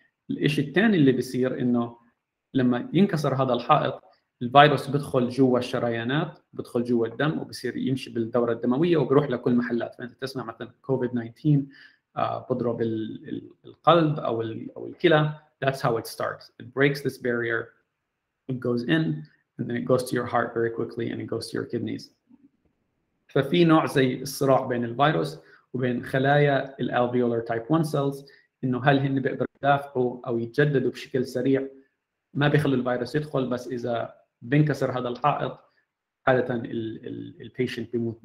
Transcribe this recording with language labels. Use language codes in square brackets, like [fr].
[ar] الشيء الثاني اللي بصير انه لما ينكسر هذا الحائط الفيروس بيدخل جوا الشريانات, بيدخل جوا الدم وبصير يمشي بالدورة الدموية وبروح لكل محلات. فأنت تسمع مثلا كوفيد 19 بضرب القلب أو الكلى. [en] That's how it starts. It breaks this barrier, it goes in, and then it goes to your heart very quickly and it goes to your kidneys. [ar] ففي نوع زي الصراع بين الفيروس وبين خلايا الـ alveolar type 1 cells إنه هل هن بيقدروا يدافعوا أو يتجددوا بشكل سريع ما بيخلوا الفيروس يدخل, بس اذا بنكسر هذا الحائط عادة البيشنت بيموت.